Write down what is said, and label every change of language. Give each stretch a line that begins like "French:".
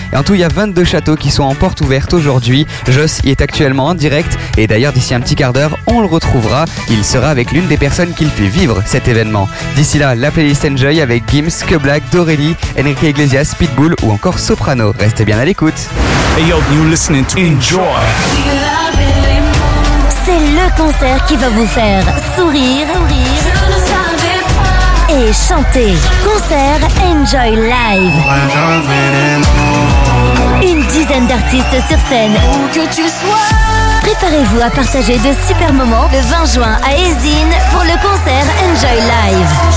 French: Et en tout, il y a 22 châteaux qui sont en porte ouverte aujourd'hui. Joss y est actuellement en direct. Et d'ailleurs, d'ici un petit quart d'heure, on le retrouvera. Il sera avec l'une des personnes qui le fait vivre, cet événement. D'ici là, la playlist Enjoy avec Gims, Que Black, Dorélie, Enrique Iglesias, Pitbull ou encore Soprano. Restez bien à l'écoute.
English: Hey yo, you listening to Enjoy.
French: C'est le concert qui va vous faire sourire, sourire et chanter. Concert Enjoy Live. Une dizaine d'artistes sur scène. Où que tu sois. Préparez-vous à partager de super moments le 20 juin à Aisin pour le concert Enjoy Live.